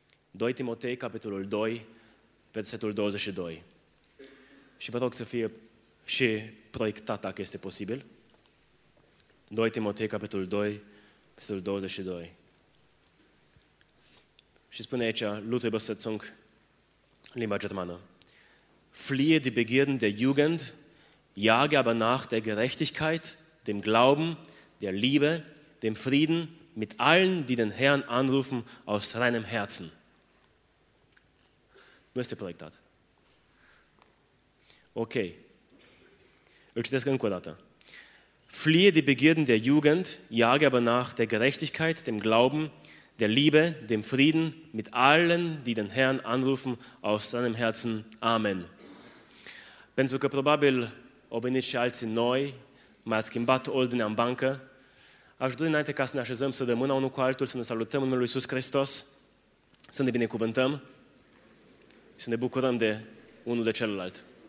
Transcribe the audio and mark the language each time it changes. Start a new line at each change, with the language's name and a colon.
Romanian: 2 Timotei, capitolul 2, versetul 22. Și vă rog să fie și proiectat, dacă este posibil. 2 Timotei, capitolul 2, versetul 22. Și spune aici, Luther Besetzung, limba germană.
German: Fliehe die Begierden der Jugend, jage aber nach der Gerechtigkeit, dem Glauben, der Liebe, dem Frieden mit allen, die den Herrn anrufen aus reinem Herzen.
Romanian: Nu este proiectat. Ok. Îl citesc încă o dată.
German: Fliehe die Begierden der Jugend, jage aber nach der Gerechtigkeit, dem Glauben, der Liebe, dem Frieden mit allen, die den Herrn anrufen aus seinem Herzen.
Romanian: Amen. Pentru că probabil au venit și alții noi, mai ați schimbat ordinea în bancă, aș dori înainte ca să ne așezăm, să dăm mâna unul cu altul, să ne salutăm în numele lui Iisus Hristos, să ne binecuvântăm și să ne bucurăm de unul de celălalt.